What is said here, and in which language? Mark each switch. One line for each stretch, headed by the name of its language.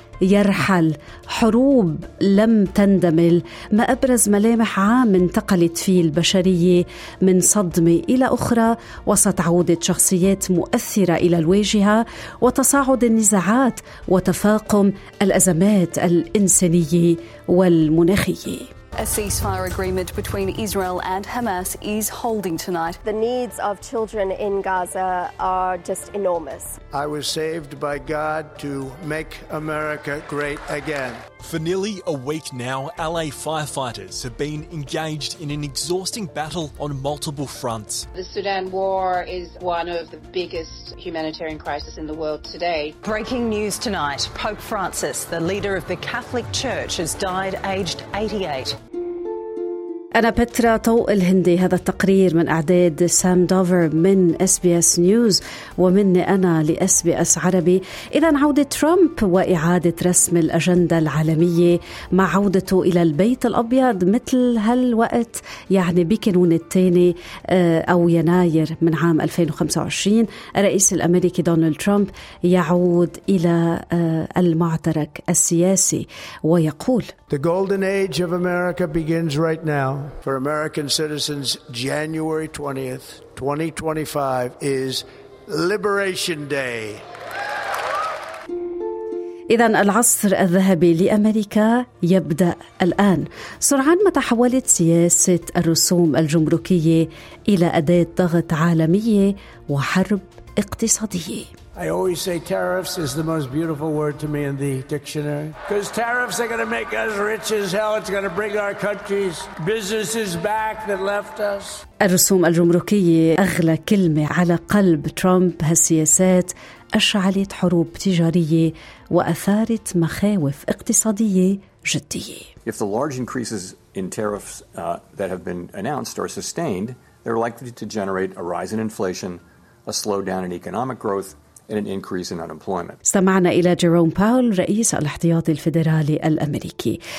Arabic: يرحل، حروب لم تندمل، ما أبرز ملامح عام انتقلت فيه البشرية من صدمة إلى أخرى وسط عودة شخصيات مؤثرة إلى الواجهة وتصاعد النزاعات وتفاقم الأزمات الإنسانية والمناخية.
English: A ceasefire agreement between Israel and Hamas is holding tonight. The needs of children in Gaza are just enormous. I was saved by God to make America great again. For nearly a week now, LA firefighters have been engaged in an exhausting battle on multiple fronts. The Sudan war is one of the biggest humanitarian crises in the world today. Breaking news tonight, Pope Francis, the leader of the Catholic Church, has died aged 88.
Arabic: أنا بترا طوق الهندي. هذا التقرير من أعداد سام دوفر من SBS نيوز ومني أنا لSBS عربي. إذا عودة ترامب وإعادة رسم الأجندة العالمية مع عودته إلى البيت الأبيض مثل هالوقت، يعني بكانون الثاني أو يناير من عام 2025، الرئيس الأمريكي دونالد ترامب يعود إلى المعترك السياسي ويقول:
English: The golden age of America begins right now. For American citizens, January 20th, 2025 is Liberation Day.
Arabic: إذن العصر الذهبي لأمريكا يبدأ الآن. سرعان ما تحولت سياسة الرسوم الجمركية إلى أداة ضغط عالمية وحرب اقتصادية.
English: I always say tariffs is the most beautiful word to me in the dictionary. Because tariffs are going to make us rich as hell. It's going to bring our country's businesses back that left us.
Arabic: الرسوم الجمركية أغلى كلمة على قلب ترامب. هالسياسات أشعلت حروب تجارية وأثارت مخاوف اقتصادية جدية.
English: If the large increases in tariffs that have been announced are sustained, they're likely to generate a rise in inflation, a slowdown in economic growth, and an increase in unemployment.
Arabic: استمعنا إلى جيروم باول رئيس الاحتياطي الفيدرالي الأمريكي.